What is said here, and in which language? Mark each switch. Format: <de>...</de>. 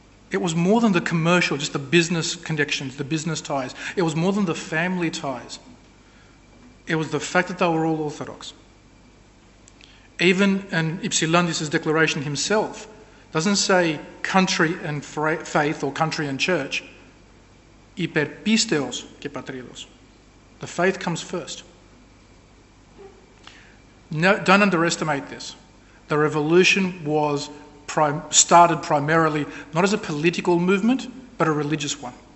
<en>It was more than the commercial, just the business connections, the business ties. It was more than the family ties. It was the fact that they were all Orthodox. Even in Ypsilantis' declaration himself, doesn't say country and faith or country and church.</en> <el>Υπερπίστεως και πατρίδος.</el> <en>The faith comes first. No, don't underestimate this. The revolution was started primarily not as a political movement, but a religious one.</en>